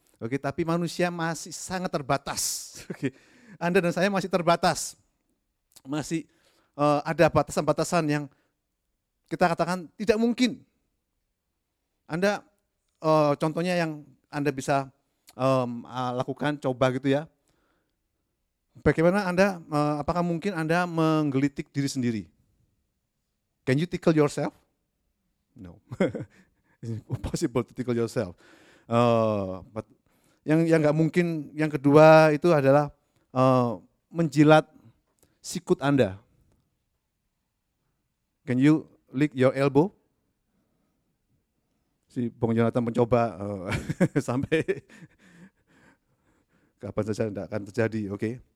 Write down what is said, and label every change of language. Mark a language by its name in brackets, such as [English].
[Indonesian] Oke, tapi manusia masih sangat terbatas. Oke, Anda dan saya masih terbatas, masih ada batasan-batasan yang kita katakan tidak mungkin. Anda, contohnya yang Anda bisa lakukan, coba gitu ya. Bagaimana Anda, apakah mungkin Anda menggelitik diri sendiri? [English] Can you tickle yourself? No. It's impossible to tickle yourself. [Indonesian] But yang gak mungkin, yang kedua itu adalah menjilat sikut Anda. [English] Can you lick your elbow? [Indonesian] Si Bung Jonathan mencoba sampai kapan saja tidak akan terjadi, oke? Okay.